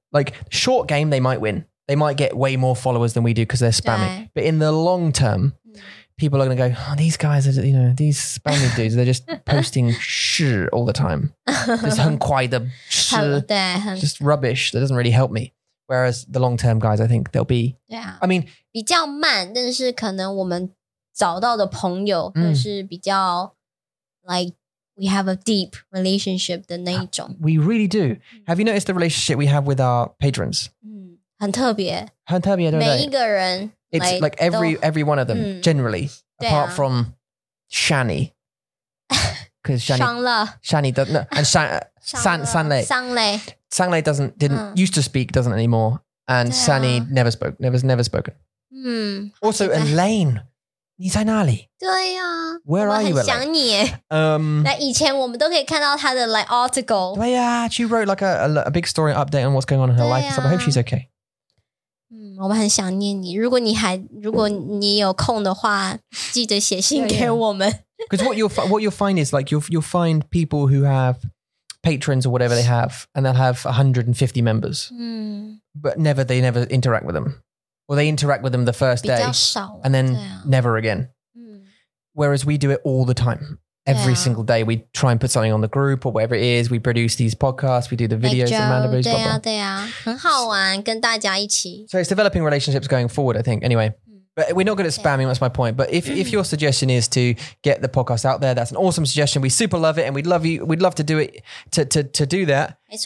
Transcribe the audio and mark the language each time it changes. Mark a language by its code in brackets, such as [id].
[en] Like, short game, they might win. They might get way more followers than we do because they're spamming. But in the long term, people are going to go, oh, these guys, are, you know, these Spanish dudes, they're just posting sh all the time. Just [zh] 很快的, [en] sh, just rubbish. That doesn't really help me. Whereas the long-term guys, I think they'll be... Yeah. I mean... [zh] 比较慢,但是可能我们找到的朋友就是比较... [en] Like, we have a deep relationship [zh] 的那一种. [en] We really do. Have you noticed the relationship we have with our patrons? [zh] 很特别。很特别,对不对?每一个人... [en] It's like every one of them, generally, apart from Shani. Because Shani doesn't know. And Sanle didn't used to speak anymore. And Sani never spoken. Also, Elaine. [zh] 你在哪里? 对啊, [en] where are you, [zh] Elaine? 那以前我们都可以看到她的 like article. 对啊, [en] she wrote like a big story update on what's going on in her life. So I hope she's okay. [zh] 我们很想念你，如果你有空的话，记得写信给我们。Because [en] what you'll find is like you'll find people who have patrons or whatever they have, and they'll have 150 members, but they never interact with them, or they interact with them the first day, and then never again. Whereas we do it all the time. Every single day, we try and put something on the group or whatever it is. We produce these podcasts. We do the videos. Like Joe, Amanda Bruce, [zh] 对啊, 对啊, 很好玩, 跟大家一起。 [en] So it's developing relationships going forward, I think. Anyway, but we're not good at spamming. That's my point. But if your suggestion is to get the podcast out there, that's an awesome suggestion. We super love it. And we'd love you. We'd love to do it to do that.